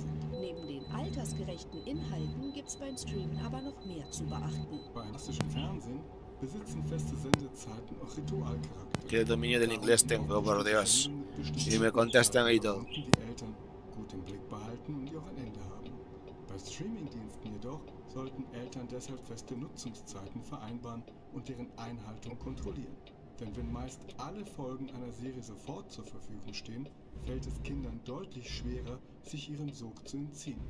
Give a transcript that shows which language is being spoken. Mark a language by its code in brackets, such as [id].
[de] Neben den altersgerechten Inhalten gibt's beim Streamen aber noch mehr zu beachten. Beim klassischen Fernsehen besitzen feste Sendezeiten auch Ritualcharakter. [es] Qué dominio del inglés tengo, por Dios. Y me contestan y todo. [de] Die Eltern gut im Blick behalten und ihr auch ein Ende haben. Bei Streamingdiensten jedoch sollten Eltern deshalb feste Nutzungszeiten vereinbaren und deren Einhaltung kontrollieren. Denn wenn meist alle Folgen einer Serie sofort zur Verfügung stehen, fällt es Kindern deutlich schwerer, sich ihrem Sog zu entziehen.